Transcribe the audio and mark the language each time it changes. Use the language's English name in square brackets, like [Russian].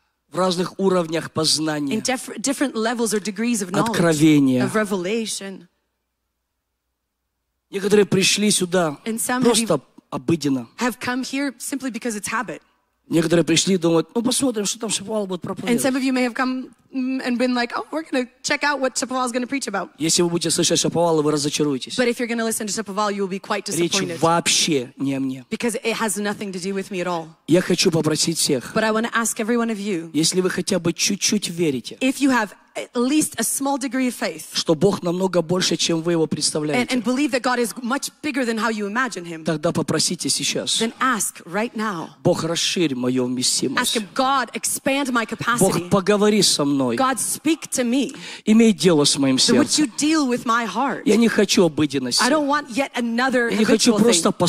[Russian] В разных уровнях познания. [English] In different levels or degrees of knowledge. [Russian] Откровения. [English] Of revelation. [Russian] Некоторые пришли сюда просто обыденно. [English] Have come here simply because it's habit. [Russian] Некоторые пришли и думают, ну посмотрим, что там Шапоал будет проповедовать. [English] And some of you may have come and been like, oh, we're going to check out what Shapoval is going to preach about. [Russian] Если вы будете слышать Шапоала, вы разочаруетесь. [English] But if you're going to listen to Shapoval, you will be quite disappointed. [Russian] Речь вообще не о мне. [English] Because it has nothing to do with me at all. [Russian] Я хочу попросить всех. [English] But I want to ask every one of you. [Russian] Если вы хотя бы чуть-чуть верите. [English] If you have at least a small degree of faith. [Russian] Что Бог намного больше, чем вы его представляете. [English] And believe that God is much bigger than how you imagine him. [Russian] Тогда попросите сейчас. [English] Then ask right now. [Russian] Бог, расширь мою вместимость. [English] Ask him, God, expand my capacity. [Russian] Бог, поговори со мной. [English] God, speak to me. [Russian] Имей дело с моим сердцем. [English] Would you deal with my heart? [Russian] Я не хочу обыденности. [English] I don't want yet another habitual [Russian] thing. Я не хочу просто [English] thing.